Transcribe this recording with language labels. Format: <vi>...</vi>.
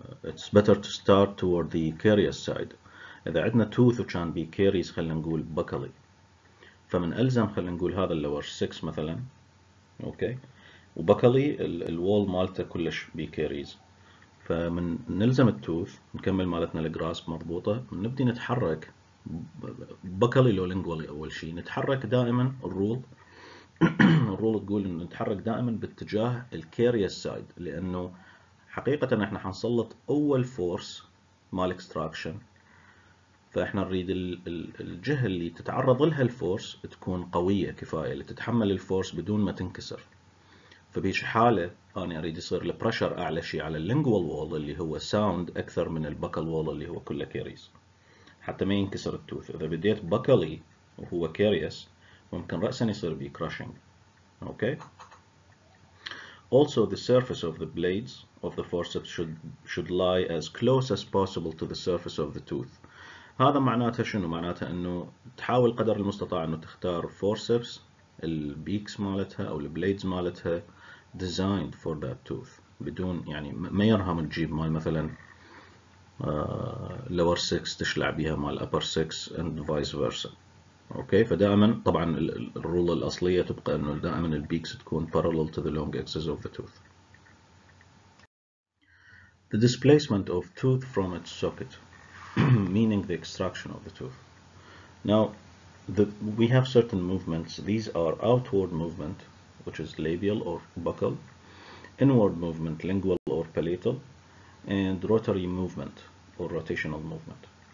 <en>It's better to start toward the carious side.</en> <ar>إذا عندنا</ar> <en>tooth which can be carious,</en> <ar>خلينا نقول</ar> <en>buccally.</en> <ar>فمن ألزم خلينا نقول هذا</ar> <en>lower 6</en> <ar>مثلا.</ar> <en>Okay.</en> <ar>وبكالي ال wall مالته كلش</ar> <en>be carious.</en> <ar>فمن نلزم التوث نكمل مالتنا الجراسب مضبوطة. نبدي نتحرك buccally لو lingually أول شيء. نتحرك دائما الrule. الرول تقول انه نتحرك دائما باتجاه الكاريوس سايد، لانه حقيقه احنا حنسلط اول فورس مال اكستراكشن فإحنا نريد الجهة اللي تتعرض لها الفورس تكون قوية كفاية لتتحمل الفورس بدون ما تنكسر. فبهيش حالة أنا أريد يصير البرشر أعلى شيء على اللينجوال وول اللي هو ساوند أكثر من البكال وول اللي هو كله كيريس حتى ما ينكسر التوث. إذا بديت بكالي وهو كيريس ممكن رأسا يصير بي كراشنج.</ar> <en>Okay? Also, the surface of the blades of the forceps should lie as close as possible to the surface of the tooth.</en> <ar>هذا معناته شنو؟ معناته انه تحاول قدر المستطاع انه تختار forceps البيكس مالتها او البليدز مالتها</ar> <en>designed for that tooth</en> <ar>بدون يعني ما يرهم تجيب مال مثلا</ar> <en>lower 6</en> <ar>تشلع بيها مال</ar> <en>upper 6 and vice versa.</en> <ar>اوكي فدائما طبعا الرول الاصليه تبقى انه دائما البيكس تكون</ar> <en>parallel to the long axis of the tooth. The displacement of tooth from its socket meaning the extraction of the tooth. Now we have certain movements. These are outward movement which is labial or buccal, inward movement lingual or palatal, and rotary movement or rotational movement.</en>